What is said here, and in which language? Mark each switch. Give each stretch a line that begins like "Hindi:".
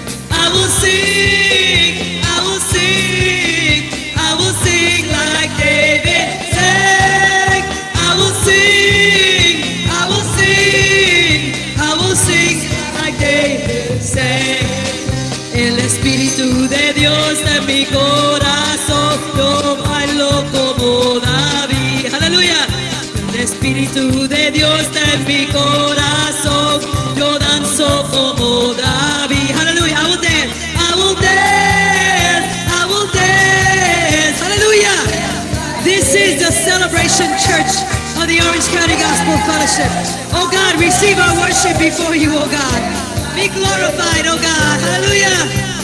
English: I will sing, I will sing, I will sing like David sang. I will sing, I will sing, I will sing like David sang.
Spanish: El Espíritu de Dios en mi corazón, yo bailo como David. Aleluya. El Espíritu de Dios en mi corazón, yo danzo como David.
English: Aleluya. I will dance, I will dance, I will dance.
Spanish: Aleluya.
English: This is the celebration church of the Orange County Gospel Fellowship. Oh God, receive our worship before you, oh God. Be glorified, oh God. Hallelujah.